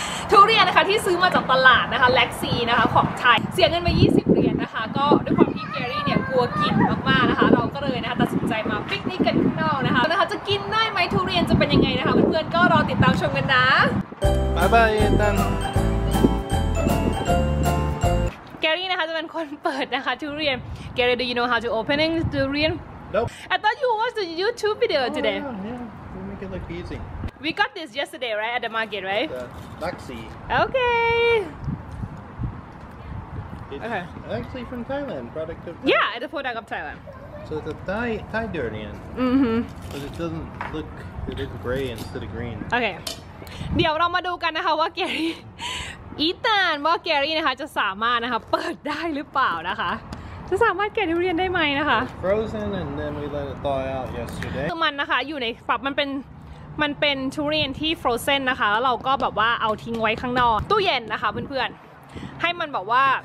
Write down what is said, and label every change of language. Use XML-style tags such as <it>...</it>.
<th>ทุเรียนนะคะที่ซื้อมาจากตลาดนะคะแล็กซีนะคะของไทยเสียเงินมา20เหรียญนะคะก็ด้วยความที่เกรี่เนี่ยกลัวกลิ่นมากๆนะคะเราก็เลยนะคะตัดสินใจมาปิกนิกกันข้างนอกนะคะนะคะจะกินได้ไหมทุเรียนจะเป็นยังไงนะคะเพื่อนๆก็รอติดตามชมกันนะ บ๊ายบายเอตัน เกรี่นะคะจะเป็นคนเปิดนะคะทุเรียนเกรี่</th> <en>do you know how to opening the durian nope I thought you watched the YouTube video today oh, yeah we make it look easy We got this yesterday, right? At the market, right? The Maxi. Okay. It's actually from Thailand. Product of Thailand. Yeah, the product of Thailand. So it's a Thai durian. Mm-hmm. But it doesn't look, it looks gray instead of green. Okay.</en> <th>เดี๋ยวเรามาดูกันนะคะว่าแกรี่อีตานว่าแกรี่นะคะจะสามารถนะคะเปิดได้หรือเปล่านะคะจะสามารถแกะทุเรียนได้ไหมนะคะ</th> <en>Frozen and then we let it thaw out yesterday.</en> <th>คือมันนะคะอยู่ในฝักมันเป็นทุเรียนที่ frozen นะคะแล้วเราก็แบบว่าเอาทิ้งไว้ข้างนอกตู้เย็นนะคะเพื่อนๆให้มันแบบว่า</th>